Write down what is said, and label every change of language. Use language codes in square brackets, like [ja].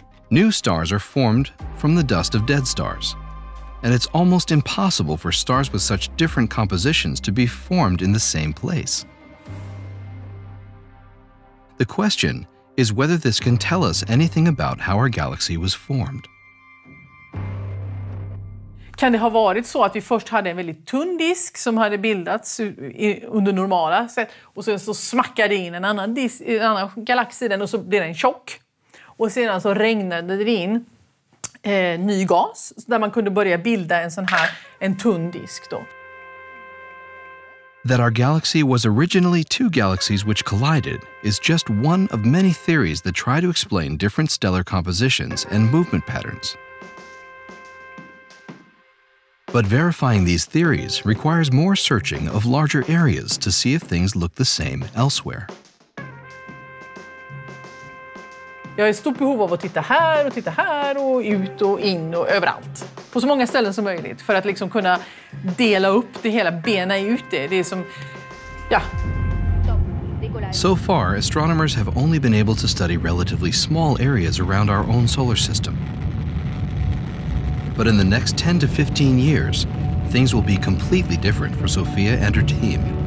[en] New stars are formed from the dust of dead stars. and it's almost impossible for stars with such different compositions to be formed in the same place. The question is whether this can tell us anything about how our galaxy was formed. [sv] Kan det ha varit så att vi först hade en väldigt tunn disk som hade bildats under normala sätt och sen så smackade in en annan disk, en annan galax i den och så blev den tjock. Och sedan så regnade det in ny gas där man kunde börja bilda en sån här en tunn disk då. That our galaxy was originally two galaxies which collided is just one of many theories that try to explain different stellar compositions and movement patterns. But verifying these theories requires more searching of larger areas to see if things look the same elsewhere. Jag har stort behov av att titta här och ut och in och överallt. På så många ställen som möjligt för att liksom kunna dela upp det hela, bena ut det. Det är som, ja. [en] So far, astronomers have only been able to study relatively small areas around our own solar system. But in the next 10 to 15 years, things will be completely different for Sofia and her team.